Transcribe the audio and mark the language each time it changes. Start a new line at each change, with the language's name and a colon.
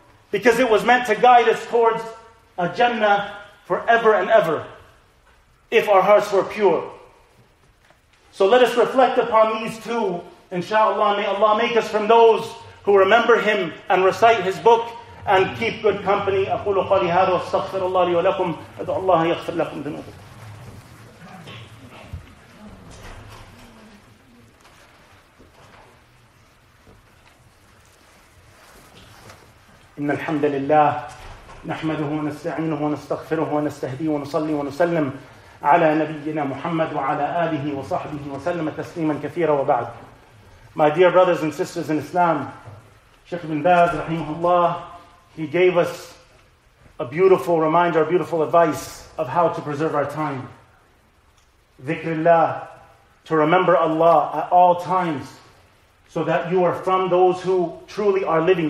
English: Because it was meant to guide us towards a Jannah forever and ever, if our hearts were pure. So let us reflect upon these two, inshallah. May Allah make us from those who remember him and recite his book and keep good company.
Arabic: أقول قولي هذا واستغفر الله لي ولكم أدعو الله يغفر لكم ذنوبكم. إن الحمد لله نحمده ونستعينه ونستغفره ونستهديه ونصلي ونسلم على نبينا محمد وعلى آله وصحبه وسلم تسليما كثيرا وبعد.
English: My dear brothers and sisters in Islam, Sheikh Ibn Baz, rahimahullah, he gave us a beautiful reminder, beautiful advice of how to preserve our time. Dhikrillah, to remember Allah at all times so that you are from those who truly are living.